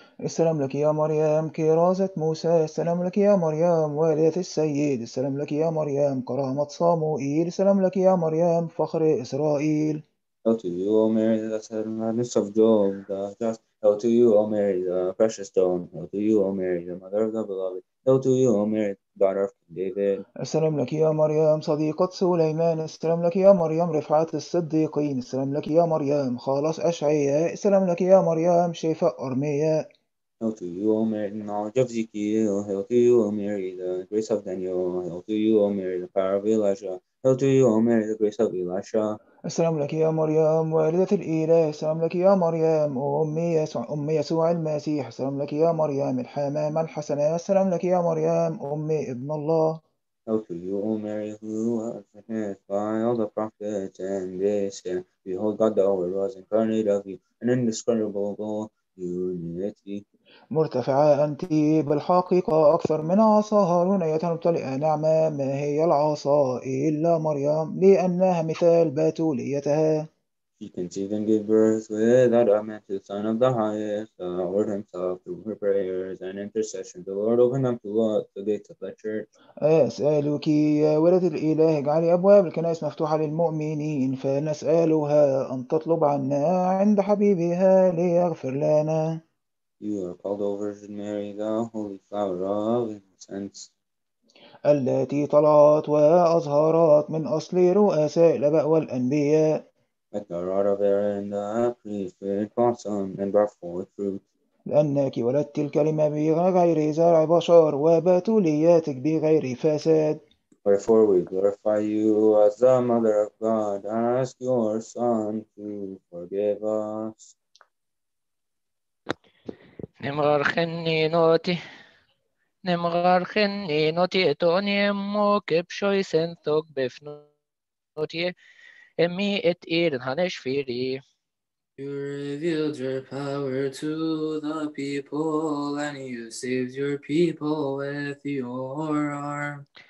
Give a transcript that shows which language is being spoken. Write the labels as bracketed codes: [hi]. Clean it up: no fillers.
[ar] السلام لك يا مريم كرازة موسى. السلام لك يا مريم والدة السيد. السلام لك يا مريم كرامة صموئيل. السلام لك يا مريم فخر إسرائيل. [en] Hail to you, O Mary, the gladness of Job, the just. Hail to you, O Mary, the precious stone. Hail to you, O Mary, the mother of the beloved. Hail to you, O Mary, the daughter of King David. [ar] السلام لك يا مريم صديقة سليمان. السلام لك يا مريم رفعت الصديقين. السلام لك يا مريم خالص أشعياء. السلام لك يا مريم شفاء أرمياء. [en] Hail to you, O Mary, the knowledge of Ezekiel. Hail to you, O Mary, the grace of Daniel. Hail to you, O Mary, the power of Elijah. Hail to you, O Mary, the grace of Elisha. [ar] السلام لك يا مريم والدة الإله. السلام لك يا مريم أم يسوع المسيح. السلام لك يا مريم الحمامة الحسنة. السلام لك يا مريم أم ابن الله. [en] Hail to you, O Mary, who was witnessed by all the prophets and they say, Behold, God the Lord was incarnate of you, an indescribable unity. [ar] مرتفعة أنت بالحقيقة أكثر من عصا هارون أيتها الممتلئة نعمة. ما هي العصا إلا مريم لأنها مثال بتوليتها. [en] She conceived and gave birth without a man to the Son of the Highest, the Lord Himself, through her prayers and intercession. The Lord opened up the gates of the church. [ar] أسألك يا ولد الإله اجعلي أبواب الكنائس مفتوحة للمؤمنين فنسألها أن تطلب عنا عند حبيبها ليغفر لنا. [en] You are called, O Virgin Mary, the holy flower of incense. [ar] التي طلعت وأظهرت من أصل رؤساء الآباء والأنبياء. [en] At the rod of Aaron, the priest, it blossomed and brought forth fruit. [ar] لأنك ولدت الكلمة بغير زرع بشر وبتوليتك بغير فساد. [en] Wherefore we glorify you as the Mother of God, ask your Son to forgive us. [cop] نمغر خني نوتي نمغر خني نوتي اتوني امو كبشو يسنثوك بفنو نوتي امي ات ايرن هنش فيري. [en] You revealed your power to the people and you saved your people with your arm.